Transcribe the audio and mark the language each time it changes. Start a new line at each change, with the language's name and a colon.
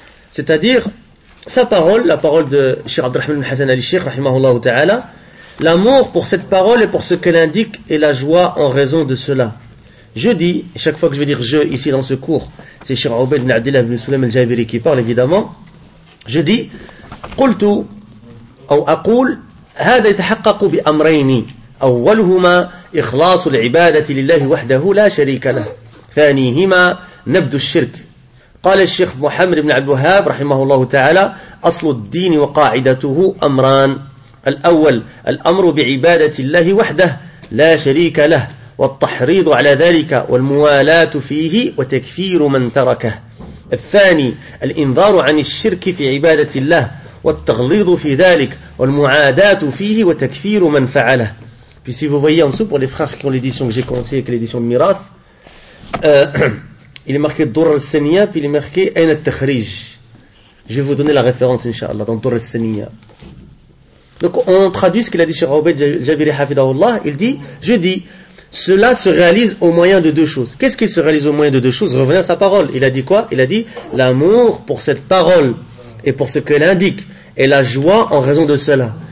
French: C'est-à-dire sa parole, la parole de Cheikh Abdurrahman ibn Hassan al-Sheikh rahimahullah ta'ala, l'amour pour cette parole et pour ce qu'elle indique et la joie en raison de cela. Je dis, chaque fois que je vais dire je ici dans ce cours, c'est Cheikh Aoubed Ibn Adil Ibn Sulaym Al-Jabiri qui parle évidemment. Je dis,
Arabic: قلتو أو أقول هذا يتحقق بأمرين أولهما إخلاص العبادة لله وحده لا شريك له ثانيهما نبذ الشرك قال الشيخ محمد بن عبد الوهاب رحمه الله تعالى أصل الدين وقاعدته أمران الأول الأمر بعبادة الله وحده لا شريك له والتحريض على ذلك والموالاة فيه وتكفير من تركه الثاني الإنذار عن الشرك في عبادة الله والتغليظ في ذلك والمعاداة فيه وتكفير من فعله
French: Puis si vous voyez en dessous, pour les frères qui ont l'édition que j'ai conseillée, avec l'édition de Miraf, il est marqué Dur al-Saniya, puis il est marqué Ain al-Takhrij. Je vais vous donner la référence, Inch'Allah, dans Dur al-Saniya. Donc on traduit ce qu'il a dit chez Obed Jabiri Hafidahullah. Il dit, je dis, cela se réalise au moyen de deux choses. Qu'est-ce qu'il se réalise au moyen de deux choses? Revenez à sa parole. Il a dit quoi? Il a dit, l'amour pour cette parole et pour ce qu'elle indique, et la joie en raison de cela.